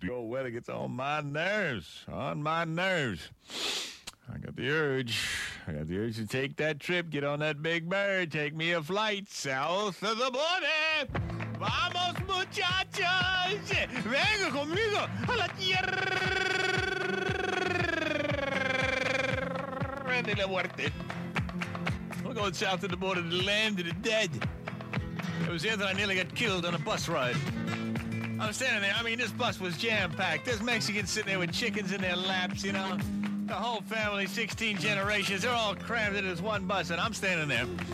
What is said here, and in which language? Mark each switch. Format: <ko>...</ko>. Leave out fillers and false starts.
<en>This cold weather gets on my nerves, on my nerves. I got the urge. I got the urge to take that trip, get on that big bird, take me a flight south of the border.</en> <es>Vamos, muchachos. Venga conmigo a la tierra de la muerte.</es> <en>We're going south of the border to the land of the dead. It was there that I nearly got killed on a bus ride. I'm standing there. I mean, this bus was jam-packed. There's Mexicans sitting there with chickens in their laps, you know. The whole family, 16 generations, they're all crammed into this one bus, and I'm standing there.</en>